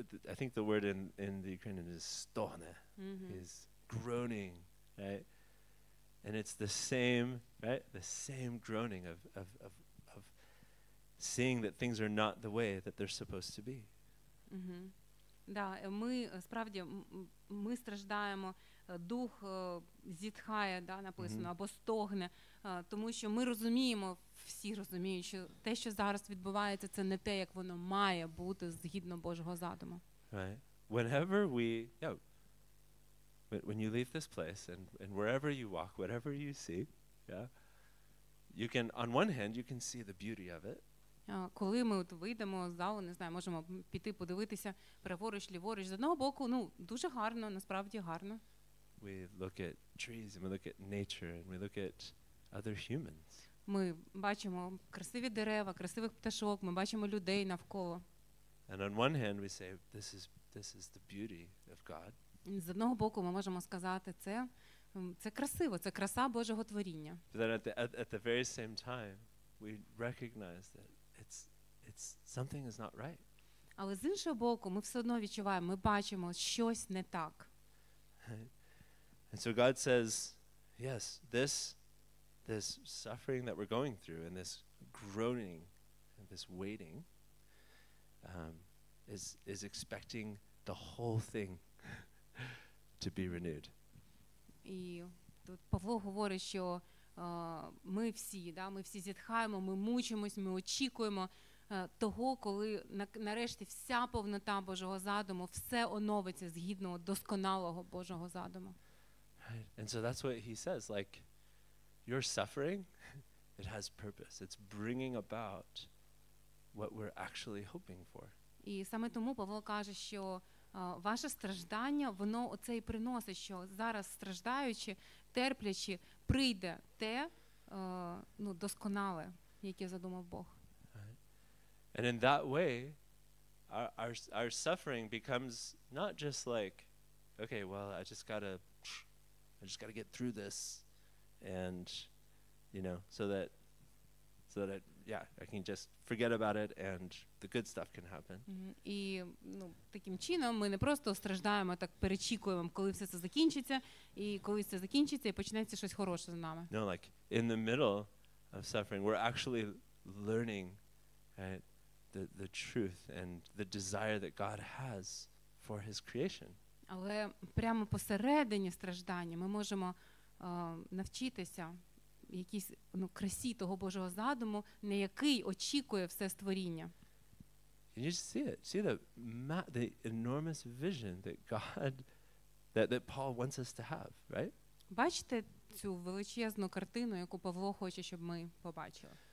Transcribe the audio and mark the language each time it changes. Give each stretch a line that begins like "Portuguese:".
English: I think the word in the Ukrainian is стогне, is groaning, right? And it's the same, right? The same groaning of seeing that things are not the way that they're supposed to be. Mm-hmm.
Ukrainian: Да, ми справді ми страждаємо, дух зітхає, да, написано, або стогне, тому що ми розуміємо, всі розуміють, що те, що зараз відбувається, це не те, як воно має бути згідно Божого задуму.
English: Right. Whenever we, when you leave this place and wherever you walk, whatever you see, you can, on one hand, you can see the beauty of it.
Ukrainian: Коли ми от вийдемо з залу, не знаю, можемо піти подивитися праворуч, ліворуч. З одного боку, ну, дуже гарно, насправді гарно.
English: We look at trees, and we look at nature, and we look at other humans.
Ukrainian: Ми бачимо красиві дерева, красивих пташок, ми бачимо людей навколо.
English: And on one hand, we say, this is the beauty of God.
Ukrainian: З одного боку, ми можемо сказати, це красиво, це краса Божого творіння.
English: But then at the very same time, we recognize that it's something is not right.
Ukrainian: Але з іншого боку, ми все одно відчуваємо, ми бачимо, щось не так.
English: And so God says, yes, this suffering that we're going through and this groaning and this waiting is expecting the whole thing to be renewed.
Ukrainian: І тут Павло говорить, що ми всі, да, ми всі зітхаємо, ми мучимось, ми очікуємо того, коли нарешті вся повнота Божого задуму, все оновиться згідно досконалого Божого задуму.
English: Right. And so that's what he says, like, your suffering, it has purpose. It's bringing about what we're actually hoping for.
Ukrainian: І саме тому Павло каже, що ваше страждання, воно оце і приносить, що зараз страждаючи, терплячи, прийде те, ну, досконале, яке задумав Бог.
English: And in that way, our suffering becomes not just like, okay, well, I just gotta get through this, and, you know, so that I can just forget about it and the good stuff can happen.
Ukrainian: І, ну, таким чином ми не просто страждаємо, так перечікуємо, коли все це закінчиться, і коли це закінчиться, і почнеться щось хороше з нами.
English: No, like, in the middle of suffering, we're actually learning, right, the truth and the desire that God has for his creation.
Ukrainian: Але прямо посередині страждання ми можемо навчитися якійсь, ну, красі того Божого задуму, на який очікує все створіння.
English: Can you see it? See the enormous vision that God, that Paul wants us to have, right?
Ukrainian: Бачите цю величезну картину, яку Павло хоче, щоб ми побачили?